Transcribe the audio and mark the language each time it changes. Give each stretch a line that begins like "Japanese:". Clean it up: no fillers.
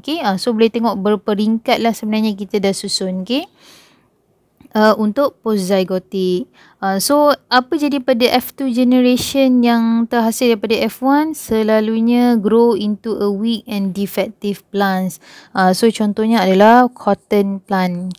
Malay: Okay, so boleh tengok berperingkat lah sebenarnya kita dah susun. Okay, untuk postzygotic. So apa jadi pada F2 generation yang terhasil daripada F1? Selalunya
English: grow into a weak and defective plants.
Malay: So contohnya adalah cotton plant.